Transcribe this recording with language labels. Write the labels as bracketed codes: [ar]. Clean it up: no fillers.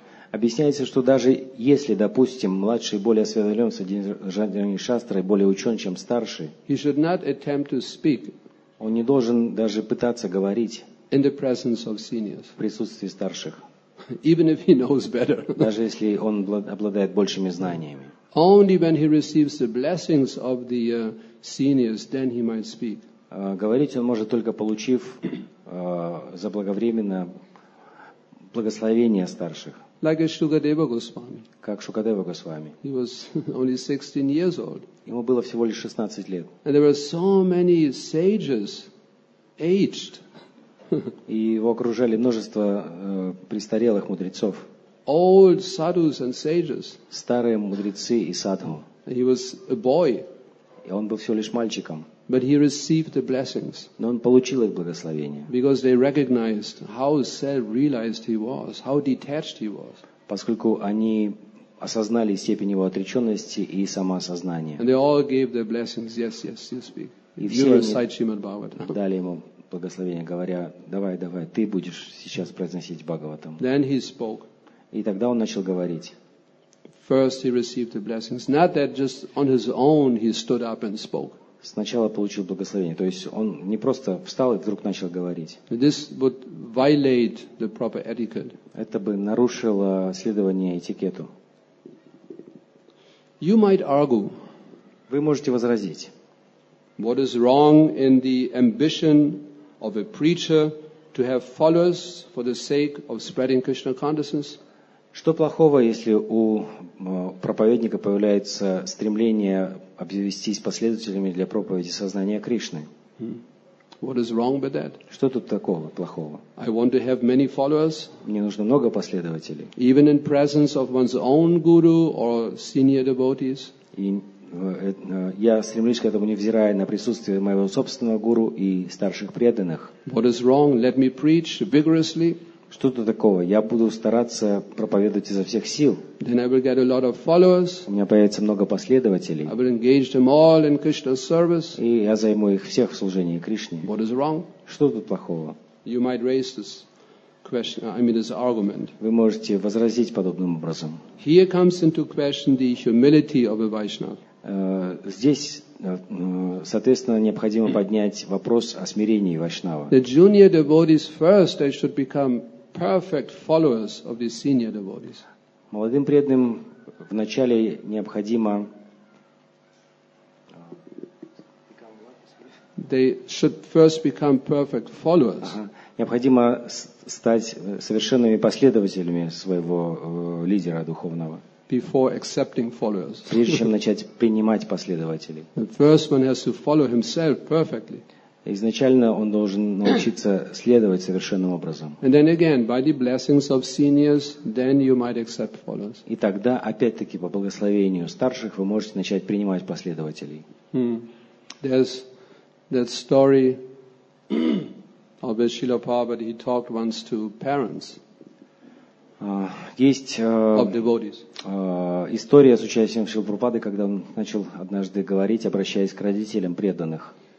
[ru] Объясняется, что даже если, допустим, младший более осведомлен в содержании шастры, более учен, чем старший, [en] he should not attempt to speak, [ru] он не должен даже пытаться говорить [en] in the presence of seniors, [ru] в присутствии старших, [en] even if he knows better. [ru] Даже если он обладает большими знаниями. [en] Only when he receives the blessings of the seniors, then he might speak. [ru] Говорить он может только получив заблаговременно благословение старших. [en] Like Shukadeva Goswami. [ru] Как Шукадева Госвами. [en] He was only 16 years old. [ru] Ему было всего лишь 16 лет. [en] And there were so many sages, aged. [ru] И его окружали множество престарелых мудрецов. [en] Old sadhus and sages. [ru] Старые мудрецы и садху. [en] He was a boy. [ru] И он был всего лишь мальчиком. [en] But he received the blessings. [ru] Но он получил их благословение. [en] Because they recognized how self-realized he was, how detached he was. [ru] Поскольку они осознали степень его отреченности и самоосознания. [en] And they all gave their blessings. Yes, yes, you speak. You recite Srimad Bhagavatam. [ru] Дали ему благословение, говоря: давай, давай, ты будешь сейчас произносить Бхагаватам. [en] Then he spoke. [ru] И тогда он начал говорить. [en] First he received the blessings. Not that just on his own he stood up and spoke. [ru] Сначала получил благословение. То есть он не просто встал и вдруг начал говорить. [en] This would violate the proper etiquette. [ru] Это бы нарушило следование этикету. [en] You might argue. [ru] Вы можете возразить. [en] What is wrong in the ambition of a preacher to have followers for the sake of spreading Krishna consciousness? [ru] Что плохого, если у проповедника появляется стремление обзавестись последователями для проповеди сознания Кришны? [en] What is wrong with that? [ru] Что тут такого плохого? [en] I want to have many followers. [ru] Мне нужно много последователей. [en] Even in presence of one's own guru or senior devotees. [ru] И я стремлюсь к этому, невзирая на присутствие моего собственного гуру и старших преданных. [en] What is wrong? Let me preach vigorously. [ru] Что-то такого. Я буду стараться проповедовать изо всех сил. [en] Then I will get a lot of followers. [ru] У меня появится много последователей. [en] I will engage them all in Krishna's service. [ru] И я займу их всех в служении Кришне. [en] What is wrong? [ru] Что тут плохого? [en] You might raise this question, I mean this argument. [ru] Вы можете возразить подобным образом. [en] Here comes into question the humility of a Vaishnava. [ru] Здесь, соответственно, необходимо поднять вопрос о смирении вайшнава. [en] The junior devotees first, they should become perfect followers of the senior devotees. [ru] Молодым преданным вначале необходимо. [en] They should first become perfect followers. [ru] Необходимо стать совершенными последователями своего лидера духовного. [en] Before accepting followers. [ru] Прежде чем начать принимать последователей. [en] The first one has to follow himself perfectly. [ru] Изначально он должен научиться следовать совершенным образом. [en] And then again, by the blessings of seniors, then you might accept followers. [ru] И тогда, опять-таки, по благословению старших, вы можете начать принимать последователей. [en] There's that story of Srila Prabhupada. He talked once to parents. [ru] Есть история с участием Шрилы Прабхупады, когда он начал однажды говорить, обращаясь к родителям преданных.